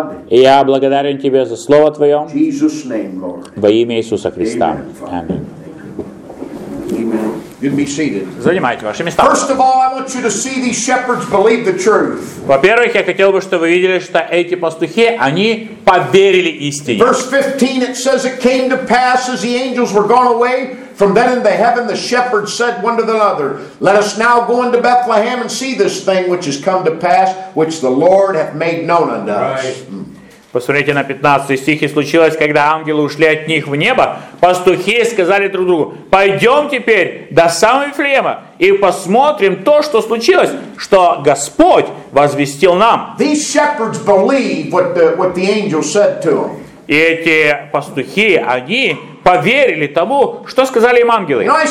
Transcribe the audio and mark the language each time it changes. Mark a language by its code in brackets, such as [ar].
[ru] И я благодарен Тебе за Слово Твое во имя Иисуса Христа. Аминь. [en] You'd be seated. [ru] Занимайте ваши места. [en] First of all, I want you to see these shepherds believe the truth. [ru] Во-первых, я хотел бы, чтобы вы видели, что эти пастухи, они поверили истине. [en] Verse 15, it says, it came to pass as the angels were gone away from then into heaven, the shepherds said one to the other, let us now go into Bethlehem and see this thing which has come to pass, which the Lord hath made known unto us. Right. [ru] Посмотрите на 15 стих. И случилось, когда ангелы ушли от них в небо, пастухи сказали друг другу, пойдем теперь до самого Вифлеема и посмотрим то, что случилось, что Господь возвестил нам. [en] These shepherds believe what the angel said to them. [ru] И эти пастухи, они поверили тому, что сказали им ангелы.